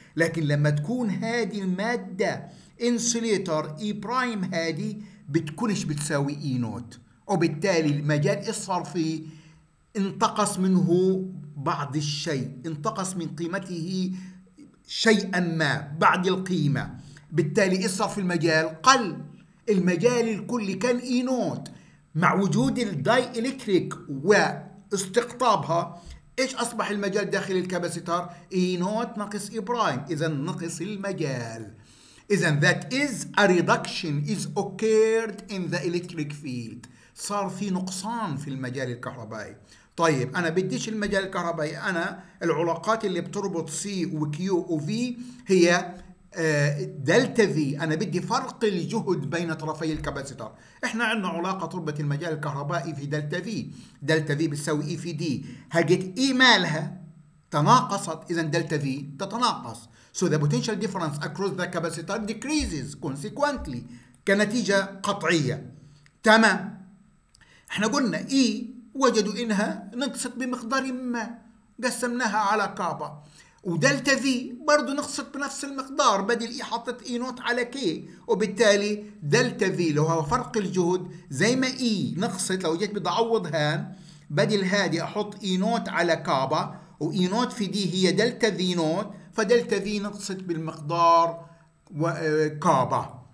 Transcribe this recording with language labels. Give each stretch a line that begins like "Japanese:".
Arabic: لكن لما تكون هذه المادة insulator E برايم هذه بتكونش بتساوي E نوت، وبالتالي المجال الصار فيه انتقص منه بعض الشيء، انتقص من قيمته شيئا ما بعض القيمة، بالتالي الصار في المجال قل. المجال الكلي كان E نوت مع وجود الداي إلكتريك واستقطابها، ايش اصبح المجال داخل الكاباسيتر؟ E نوت ناقص E برايم، اذا نقص المجال.
English: إذن that is a reduction is occurred in the electric field،
Arabic: صار في نقصان في المجال الكهربائي. طيب أنا بديش المجال الكهربائي، أنا العلاقات اللي بتربط C و Q و V هي دلتا V، أنا بدي فرق الجهد بين طرفي الكاباسيتر. إحنا عندنا علاقة تربط المجال الكهربائي في دلتا V، دلتا V بتساوي E في D، هجت E مالها تناقصت، إذن دلتا V تتناقص.
English: So the potential difference across the capacitor decreases consequently،
Arabic: كنتيجة قطعية. تمام، احنا قلنا E وجدوا انها نقصت بمقدار ما، قسمناها على كابا، ودلتا V برضو نقصت بنفس المقدار، بدل E حطت E نوت على K، وبالتالي دلتا V لو هو فرق الجهد زي ما E نقصت، لو جيت بتعوض هان بدل هادي احط E نوت على كابا، و E نوت في D هي دلتا V نوت، فدلتا V نقصت بالمقدار كابا.